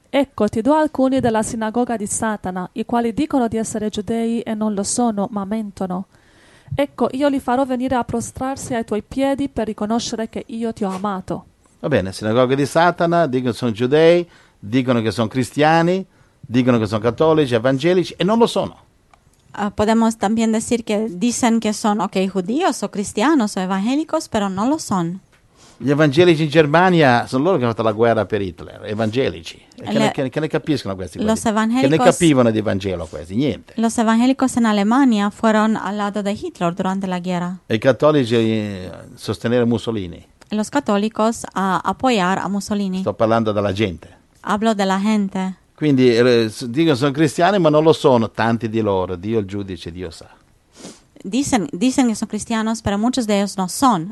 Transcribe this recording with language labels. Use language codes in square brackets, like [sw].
[it] Ecco, ti do alcuni della sinagoga di Satana, i quali dicono di essere giudei e non lo sono, ma mentono. Ecco, io li farò venire a prostrarsi ai tuoi piedi per riconoscere che io ti ho amato. Va bene, sinagoga di Satana, dicono che sono giudei, dicono che sono cristiani, dicono che sono cattolici, evangelici, e non lo sono. [es] Podemos también decir que dicen que son, okay, judíos o cristianos o evangélicos, pero no lo son. [it] Gli evangelici in Germania sono loro che hanno fatto la guerra per Hitler, evangelici. Che ne capiscono questi? Che ne capivano di Vangelo questi? Niente. [es] Los evangélicos en Alemania fueron al lado de Hitler durante la guerra. [it] E i cattolici sostenere Mussolini. [es] Los católicos a apoyar a Mussolini. [it] Sto parlando della gente. [es] Hablo de la gente. [it] Quindi dicono sono cristiani, ma non lo sono tanti di loro. Dio il giudice, Dio sa. [es] Dicen [it] che sono cristiani, [es] però muchos de ellos no son.